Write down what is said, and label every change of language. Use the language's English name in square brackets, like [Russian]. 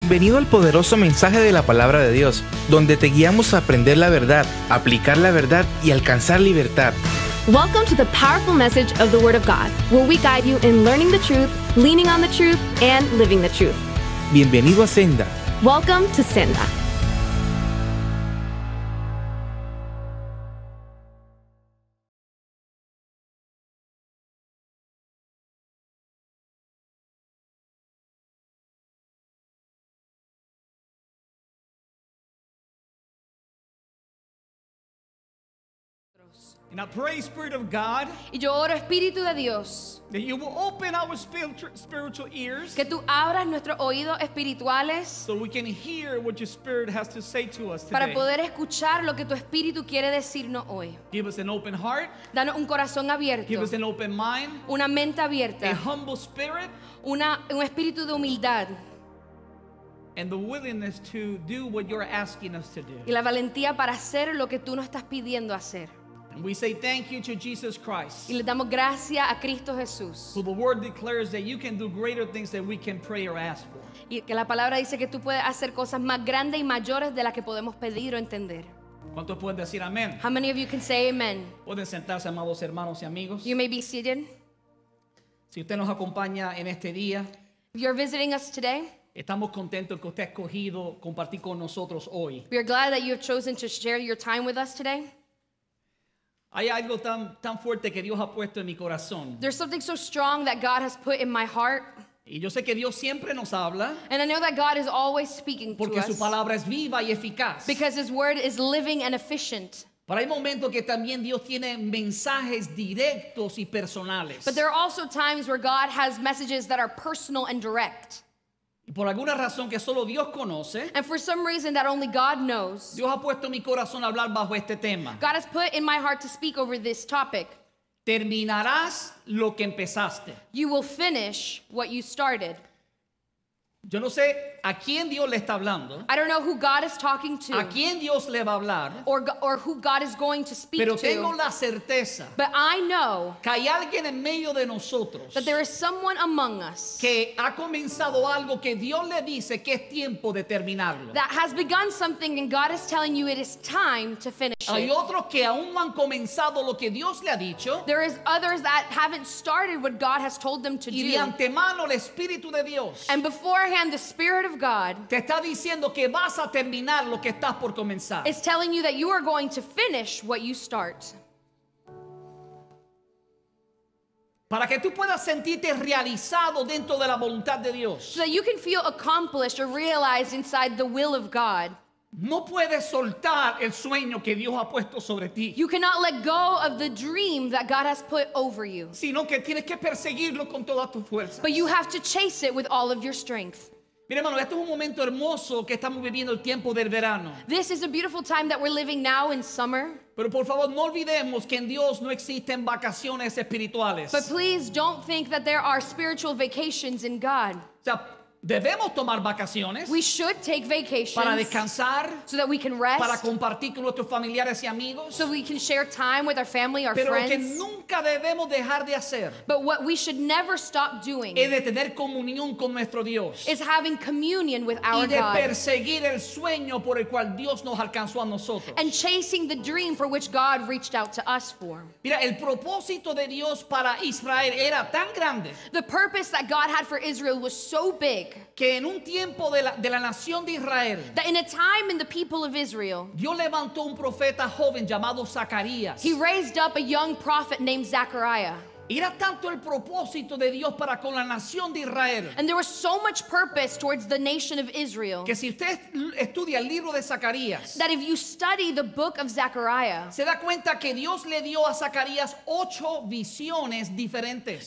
[Spanish] bienvenido al poderoso mensaje de la Palabra de Dios, donde te guiamos a aprender la verdad, aplicar la verdad y alcanzar libertad. [English] Welcome to the powerful message of the Word of God, where we guide you in learning the truth, leaning on the truth, and living the truth. [Spanish] Bienvenido a Senda. [English] Welcome to Senda. And I pray, Spirit of God, [Spanish] y yo oro, Espíritu de Dios, [English] that you will open our spiritual ears, [Spanish] que tú abras nuestros oídos espirituales, [English] so we can hear what your Spirit has to say to us today. [Spanish] Para poder escuchar lo que tu Espíritu quiere decirnos hoy. [English] Give us an open heart. [Spanish] Danos un corazón abierto. [English] Give us an open mind. [Spanish] Una mente abierta. [English] A humble spirit. [Spanish] Un espíritu de humildad. [English] And the willingness to do what you're asking us to do. [Spanish] Y la valentía para hacer lo que tú nos estás pidiendo hacer. [English] And we say thank you to Jesus Christ. [Spanish] Y le damos gracias a Cristo Jesús. [English] Who the word declares that you can do greater things than we can pray or ask for. [Spanish] Y que la palabra dice que tú puedes hacer cosas más grandes y mayores de las que podemos pedir o entender. ¿Cuántos pueden decir amén? [English] How many of you can say amen? [Spanish] Pueden sentarse, amados hermanos y amigos. [English] You may be seated. [Spanish] Si usted nos acompaña en este día. [English] If you're visiting us today. [Spanish] Estamos contentos que usted ha escogido compartir con nosotros hoy. [English] We are glad that you have chosen to share your time with us today. [Spanish] Hay algo tan fuerte que Dios ha puesto en mi corazón. [English] There's something so strong that God has put in my heart. [Spanish] Y yo sé que Dios siempre nos habla. [English] And I know that God is always speaking to us. [Spanish] Porque su palabra es viva y eficaz. [English] Because his word is living and efficient. [Spanish] Pero hay momentos que también Dios tiene mensajes directos y personales. [English] But there are also times where God has messages that are personal and direct. [Spanish] Por alguna razón que solo Dios conoce, [English] and for some reason that only God knows, [Spanish] Dios ha puesto mi corazón a hablar bajo este tema. [English] God has put in my heart to speak over this topic. [Spanish] Terminarás lo que empezaste. [English] You will finish what you started. [Spanish] Yo no sé a quién Dios le está hablando. [English] I don't know who God is talking to. [Spanish] A quién Dios le va a hablar. [English] Or who God is going to speak [Spanish] pero [English] to. [Spanish] Pero tengo la certeza. [English] But I know. [Spanish] Que hay alguien en medio de nosotros. [English] That there is someone among us. [Spanish] Que ha comenzado algo que Dios le dice que es tiempo de terminarlo. [English] That has begun something and God is telling you it is time to finish [Spanish] hay [English] it. [Spanish] Hay otros que aún no han comenzado lo que Dios le ha dicho. [English] There is others that haven't started what God has told them to [Spanish] y [English] do. [Spanish] Y de antemano el Espíritu de Dios. [English] And before the Spirit of God [Spanish] te está diciendo que vas a terminar lo que estás por comenzar. [English] Is telling you that you are going to finish what you start. [Spanish] Para que tú puedas sentirte realizado dentro de la voluntad de Dios. [English] So that you can feel accomplished or realized inside the will of God. [Spanish] No puedes soltar el sueño que Dios ha puesto sobre ti. [English] You cannot let go of the dream that God has put over you. [Spanish] Sino que tienes que perseguirlo con toda tu fuerza. [English] But you have to chase it with all of your strength. [Spanish] Mira, hermano, este es un momento hermoso que estamos viviendo el tiempo del verano. [English] This is a beautiful time that we're living now in summer. [Spanish] Pero por favor, no olvidemos que en Dios no existen vacaciones espirituales. [English] But please don't think that there are spiritual vacations in God. [Spanish] O sea, debemos tomar vacaciones. [English] We should take vacations. [Spanish] Para descansar. [English] So that we can rest. [Spanish] Para compartir con nuestros familiares y amigos. [English] So we can share time with our family, our [Spanish] pero [English] friends. [Spanish] Pero lo que nunca debemos dejar de hacer. [English] But what we should never stop doing. [Spanish] Es de tener comunión con nuestro Dios. [English] Is having communion with our God. [Spanish] Y de perseguir el sueño por el cual Dios nos alcanzó a nosotros. [English] And chasing the dream for which God reached out to us for. [Spanish] Mira, el propósito de Dios para Israel era tan grande. [English] The purpose that God had for Israel was so big. [Spanish] Que en un tiempo de la nación de Israel, [English] that in a time in the people of Israel, [Spanish] Dios levantó un profeta joven llamado Zacarías. [English] He raised up a young prophet named Zechariah. [Spanish] Era tanto el propósito de Dios para con la nación de Israel. [English] And there was so much purpose towards the nation of Israel. [Spanish] Que si usted estudia el libro de Zacarías, [English] that if you study the book of Zechariah, [Spanish] se da cuenta que Dios le dio a Zacarías 8 visiones diferentes.